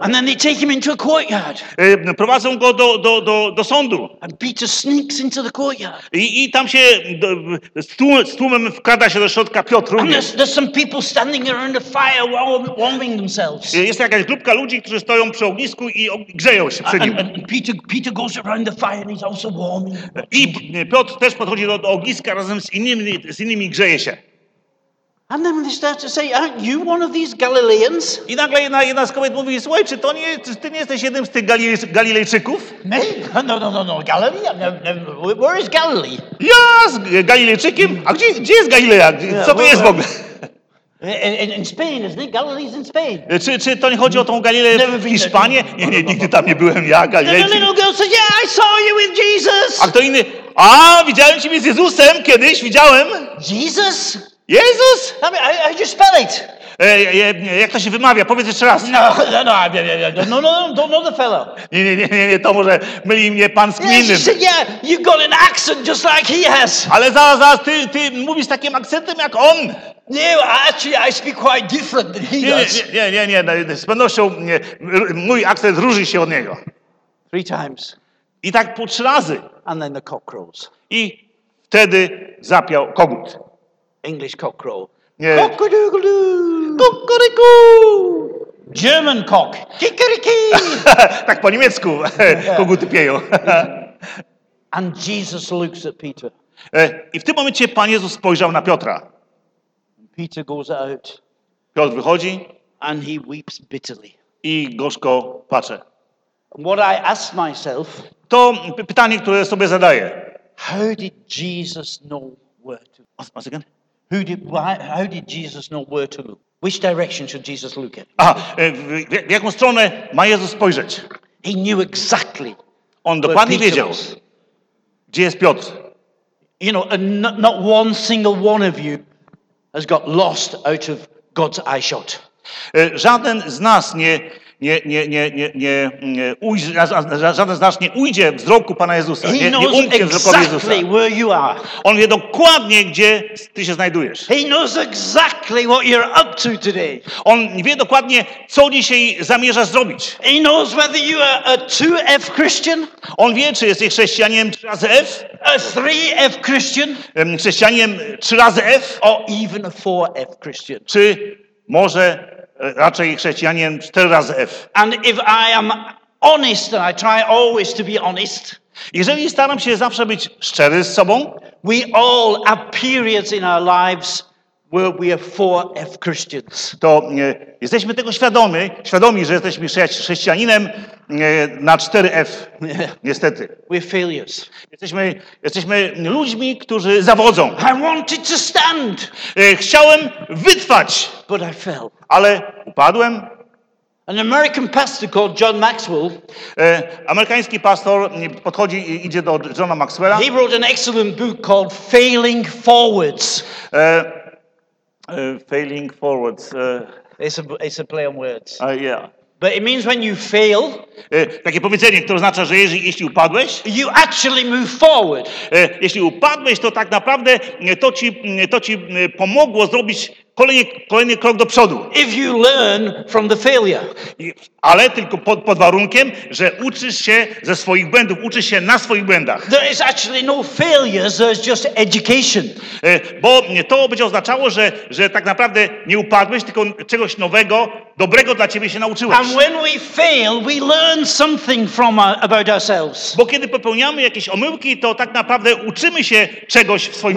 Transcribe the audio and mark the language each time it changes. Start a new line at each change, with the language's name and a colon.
English: And then they take him into a courtyard.
Polish: Prowadzą go do sądu.
English: And Peter sneaks into the courtyard.
Polish: I tam się z tłumem wkrada się do środka Piotr.
English: And there's some people standing around a fire warming themselves.
Polish: Jest jakaś grupka ludzi, którzy stoją przy ognisku i grzeją się przy nim.
English: And Peter goes around the fire and he's also warming.
Polish: I Piotr też podchodzi do ogniska razem z innymi grzeje się.
English: And then they start to say, aren't you one of these Galileans?
Polish: I nagle jedna z kobiet mówi, słuchaj, czy ty nie jesteś jednym z tych Galilejczyków?
English: Me? No, Galilee? No, where is Galilee?
Polish: Ja z Galilejczykiem? A gdzie jest Galilea? Co to jest w ogóle?
English: In Spain, isn't it? Galilee's in Spain.
Polish: Czy to nie chodzi o tą Galileę w Hiszpanii? Nie, nigdy tam nie byłem, ja, Galilejczyk.
English: And the little girl says, yeah, I saw you with Jesus.
Polish: A kto inny? A, widziałem ciebie z Jezusem kiedyś, widziałem.
English: Jesus?
Polish: Jezus?
English: I mean, how do you spell it?
Polish: Jak to się wymawia? Powiedz jeszcze raz.
English: No, don't know the fellow.
Polish: Nie, to może myli mnie pan z kim innym.
English: Yeah, you've got an accent just like he has.
Polish: Ale zaraz, ty mówisz takim akcentem jak on.
English: No, actually, I speak quite different than he does.
Polish: Nie, z pewnością mój akcent różni się od niego.
English: 3 times.
Polish: I tak po 3 razy.
English: And then the cock crows.
Polish: I wtedy zapiał kogut.
English: English cock crow.
Polish: Nie.
English: Cock-a-doodle-doo. German cock. Kikariki.
Polish: Tak po niemiecku koguty pieją.
English: And Jesus looks at Peter.
Polish: I w tym momencie Pan Jezus spojrzał na Piotra.
English: Peter goes out.
Polish: Piotr wychodzi.
English: And he weeps bitterly.
Polish: I gorzko patrzy.
English: What I ask myself.
Polish: To pytanie, które sobie zadaję.
English: How did Jesus know where to go? Once again. How did Jesus know where to look? Which direction should Jesus look at?
Polish: Aha, w jaką stronę ma Jezus spojrzeć?
English: He knew exactly.
Polish: On dokładnie wiedział, gdzie jest Piotr.
English: You know, not one single one of you has got lost out of God's eyeshot.
Polish: Żaden z nas nie ujdzie wzroku Pana Jezusa. Nie, nie umknie wzroku
English: exactly
Polish: Jezusa.
English: Where you are.
Polish: On wie dokładnie, gdzie ty się znajdujesz.
English: He knows exactly what you're up to today.
Polish: On wie dokładnie, co dzisiaj zamierzasz zrobić.
English: He knows whether you are a 2F Christian.
Polish: On wie, czy jesteś chrześcijaninem 3 razy F.
English: A 3F Christian.
Polish: Chrześcijaninem 3 razy F.
English: Or even a 4F Christian.
Polish: Czy może raczej chrześcijanin 4 razy F.
English: And if I am honest, and I try always to be honest.
Polish: Jeżeli staram się zawsze być szczery z sobą,
English: we all have periods in our lives where we are 4F Christians.
Polish: To jesteśmy tego świadomi, że jesteśmy chrześcijaninem na 4F. Niestety.
English: We're failures.
Polish: Jesteśmy ludźmi, którzy zawodzą.
English: I wanted to stand.
Polish: Chciałem wytrwać.
English: But I fell.
Polish: Ale upadłem.
English: An American pastor called John Maxwell.
Polish: Amerykański pastor podchodzi i idzie do Johna Maxwella.
English: He wrote an excellent book called Failing Forwards. Failing Forwards. It's a play on words. Yeah. But it means when you fail.
Polish: Takie powiedzenie, które oznacza, że jeśli upadłeś,
English: you actually move forward.
Polish: Jeśli upadłeś, to tak naprawdę to ci pomogło zrobić kolejny krok do przodu.
English: If you learn from the failure.
Polish: Ale tylko pod warunkiem, że uczysz się ze swoich błędów, uczysz się na swoich błędach.
English: There is actually no failure, so it's just education.
Polish: Bo to by oznaczało, że tak naprawdę nie upadłeś, tylko czegoś nowego, dobrego dla ciebie się nauczyłeś.
English: And when we fail, we learn something from about ourselves.
Polish: Bo kiedy popełniamy jakieś omyłki, to tak naprawdę uczymy się czegoś w swoim